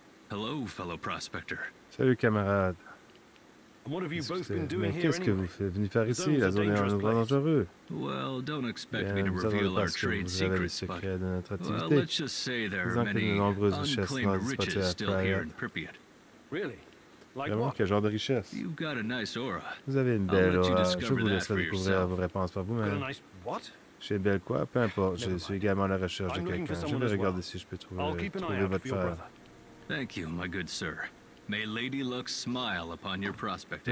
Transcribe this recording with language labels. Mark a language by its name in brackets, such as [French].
[English] Hello, fellow prospector. [French] Salut, camarade. [English] What have you both been doing here? [French] Qu'est-ce que vous êtes venu faire ici? La zone est un endroit dangereux. [English] Well, don't expect me to reveal our trade secrets, but well, let's just say there are many unclaimed riches still here in Pripyat. Really? [French] Vraiment, quel genre de richesse? [English] You've got a nice aura. [French] Vous avez une belle aura. Je vous laisse découvrir vos réponses par vous-même. J'ai une belle quoi? Peu importe. Je suis également à la recherche de quelqu'un. Je vais regarder si je peux trouver votre frère. [English] Thank you, my good sir. May Lady Luck smile upon your prospecting.